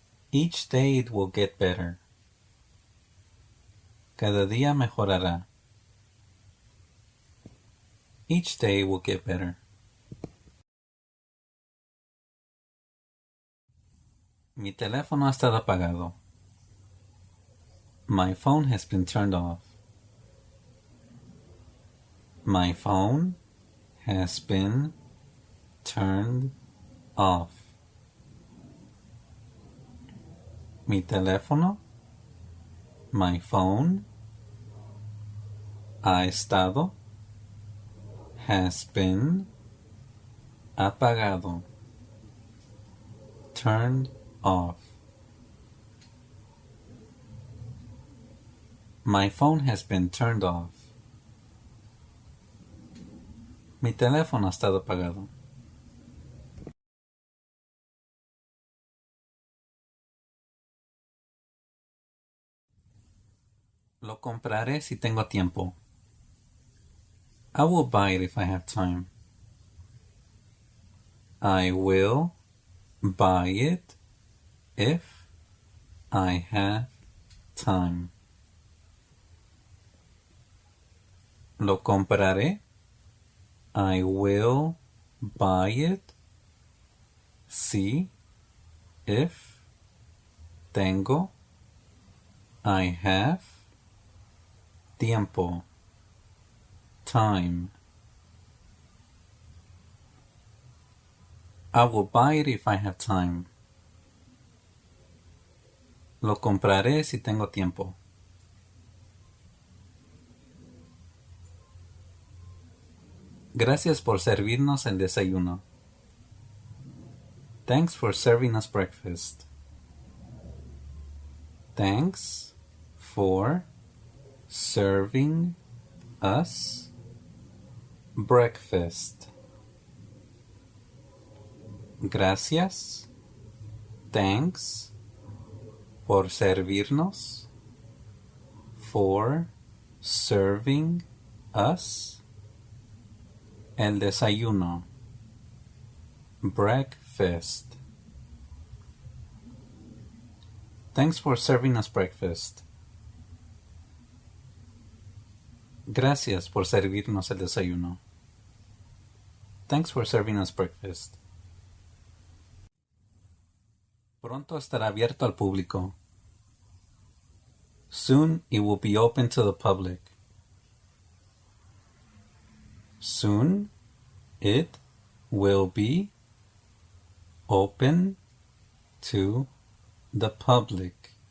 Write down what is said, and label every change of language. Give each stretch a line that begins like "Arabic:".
English: Each day it will get better.
Spanish: Cada día mejorará.
English: Each day will get better.
Spanish: Mi teléfono ha estado apagado.
English: My phone has been turned off. My phone has been turned off.
Spanish: Mi teléfono,
English: my phone,
Spanish: ha estado,
English: has been,
Spanish: apagado,
English: turned off. My phone has been turned off.
Spanish: Mi teléfono ha estado apagado. Lo compraré si tengo tiempo.
English: I will buy it if I have time. I will buy it if I have time.
Spanish: Lo compraré.
English: I will buy it
Spanish: si
English: if
Spanish: tengo
English: I have
Spanish: tiempo.
English: Time. I will buy it if I have time.
Spanish: Lo compraré si tengo tiempo. Gracias por servirnos el desayuno.
English: Thanks for serving us breakfast. Thanks for serving us breakfast.
Spanish: Gracias.
English: Thanks.
Spanish: Por servirnos.
English: For serving us
Spanish: el desayuno,
English: breakfast. Thanks for serving us breakfast.
Spanish: Gracias por servirnos el desayuno.
English: Thanks for serving us breakfast.
Spanish: Pronto estará abierto al público.
English: Soon it will be open to the public. Soon it will be open to the public.